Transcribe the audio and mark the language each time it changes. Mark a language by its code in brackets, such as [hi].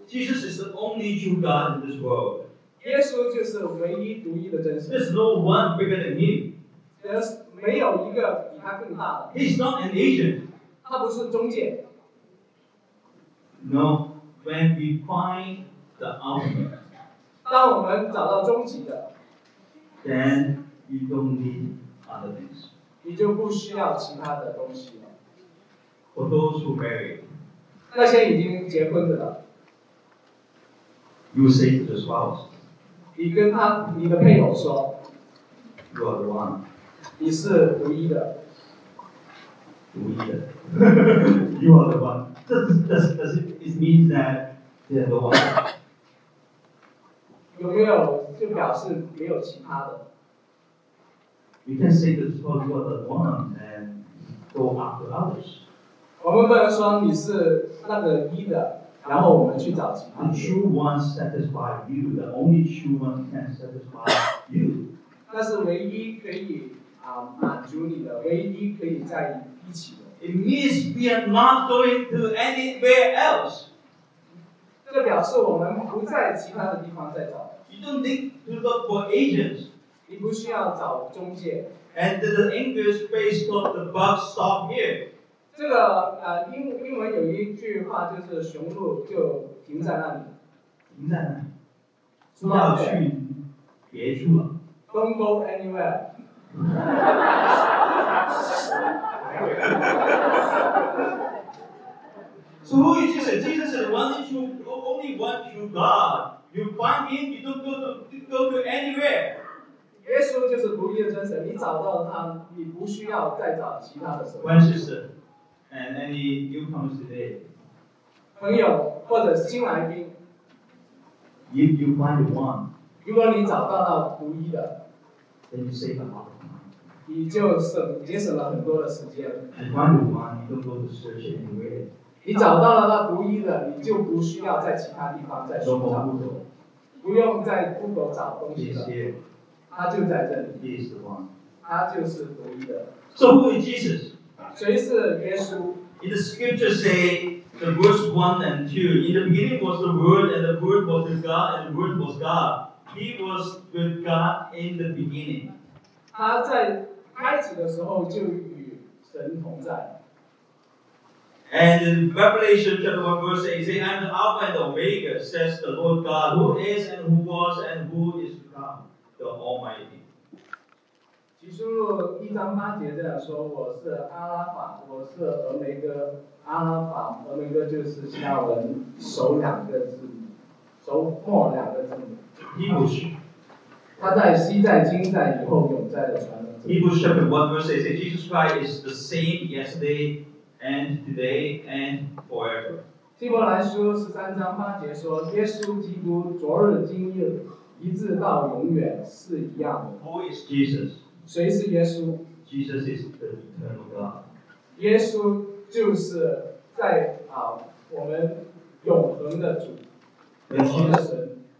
[en] Jesus is the only true God in this world. [zh] 耶稣就是唯一独一的真神。 [en] There's no one bigger than him. [zh] 没有一个比他更大的。 [en] He's not an agent. [zh] 他不是中介。 [en] No, when we find the ultimate. [zh] 当我们找到终极的, [en] then you don't need other things. [zh] 你就不需要其他的东西了。 [en] For those who married, [zh] 那些已经结婚的了, [en] you say to the spouse, [zh] 你跟他,你的配偶说, [en] you are the one. [zh] 你是唯一的。唯一的。 [en] You are the one. Does it mean that they are the one? [zh] 有没有就表示没有其他的？ [en] You can say the truth for the one and go after others. [zh] 我们不能说你是那个一的，然后我们去找其他的。 [en] The true one satisfies you. The only true one can satisfy you. [zh] 那是唯一可以满足你的，唯一可以在一起的。 [en] It means we are not going to anywhere else. [zh] 这表示我们不在其他的地方再找。 [en] You don't need to look for agents. [zh] 你不需要找中介。 [en] And the English phrase of the buck stop here. [zh] 这个英文有一句话就是雄鹿就停在那里。停在那里。不要去别处了。 [en] Don't go anywhere. [zh] 所以就是 [en] Jesus is one true, only one true God. You find him, you don't go to anywhere. [zh] 耶稣就是独一的真神，你找到他，你不需要再找其他的神。 [en] When is it? And any newcomers today? [zh] 朋友或者新来宾。 [en] If you find one, [zh] 如果你找到了独一的， [en] then you save a lot. [zh] 你就省节省了很多的时间。 [en] And find the one, you don't go to search anywhere. [zh] 你找到了那独一的，你就不需要在其他地方再寻找。 Google. 不用在 Google 找东西了。他就在这里。 [en] He is the one. [zh] 他就是独一的。 [en] So who is Jesus? [zh] 谁是耶稣？ [en] In the scripture say, the verse 1 and 2, in the beginning was the Word, and the Word was with God, and the Word was God. He was with God in the beginning. [zh] 他在开始的时候就与神同在。 [en] And in Revelation chapter 1 verse 8, he says, I'm the Alpha and the Omega, says the Lord God, who is and who was and who is to come, the Almighty. [zh] 启示录一章八节这样说，我是阿拉法，我是俄梅哥，阿拉法、俄梅哥就是希腊文首两个字母，首末两个字母。 [en] He was. [zh] 他在昔在今在以后永在的传人。 [en] Hebrews chapter 1 verse 8 says, Jesus Christ is the same yesterday and today and forever. [zh] 希伯来书十三章八节说，耶稣基督昨日今日一直到永远是一样的。 [en] Who is Jesus? [zh] 谁是耶稣？ [en] Jesus is the eternal God. [zh] 耶稣就是在我们永恒的主，永恒的神。